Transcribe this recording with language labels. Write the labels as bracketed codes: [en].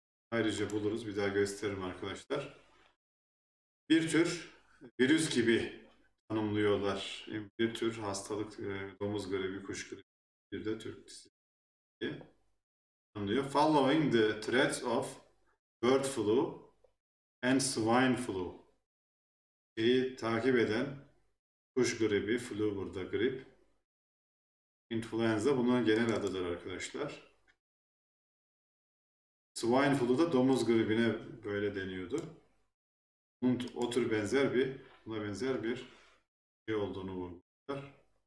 [tr] Ayrıca buluruz, bir daha gösteririm arkadaşlar. Bir tür virüs gibi tanımlıyorlar. Bir tür hastalık, domuz gribi, kuş gribi, bir de Türk dizisi diye tanımlıyor. [en] Following the threats of bird flu and swine flu. [tr] Şeyi takip eden kuş gribi, flu burada grip. Influenza bunun genel adıdır arkadaşlar. [en] Swine flu [tr] da domuz gribine böyle deniyordu. Bunun o tür benzer bir, buna benzer bir şey olduğunu vurgular.